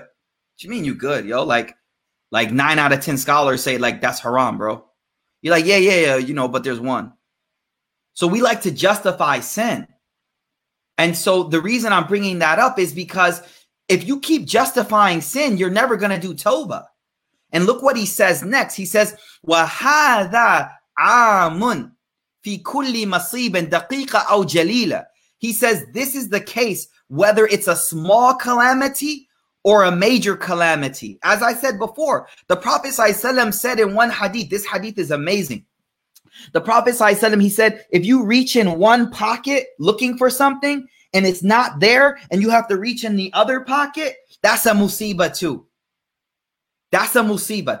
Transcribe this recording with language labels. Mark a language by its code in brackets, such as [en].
[en] What you mean you good, yo? Like 9 out of 10 scholars say, like, that's haram, bro. You're like, yeah, you know, but there's one. So we like to justify sin. And so the reason I'm bringing that up is because if you keep justifying sin, you're never going to do tawbah. And look what he says next. He says, [ar] وَهَذَا عَامٌ فِي كُلِّ مَصِيبٍ دَقِيقَ أَوْ جَلِيلًا. [en] He says, this is the case, whether it's a small calamity or a major calamity. As I said before, the Prophet ﷺ said in one hadith, this hadith is amazing. The Prophet ﷺ, he said, if you reach in one pocket looking for something and it's not there and you have to reach in the other pocket, that's a musibah too. That's a musibah.